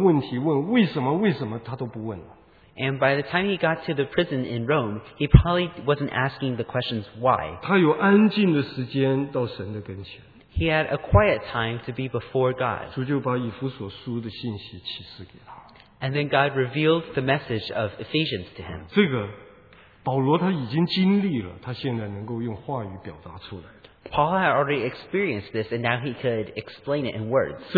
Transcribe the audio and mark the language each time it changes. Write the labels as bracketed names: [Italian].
[Chinese] 可能他到了罗马坐监的时候，他所有的问题问为什么，为什么他都不问了。 [English] And by the time he got to the prison in Rome, he probably wasn't asking the questions why. [Chinese] 他有安静的时间到神的跟前。 [English] He had a quiet time to be before God. [Chinese] 主就把以弗所书的信息启示给他。 [English] And then God revealed the message of Ephesians to him. [Chinese] 这个。保罗他已经经历了，他现在能够用话语表达出来的。Paul [English] had already experienced this, and now he could explain it in words.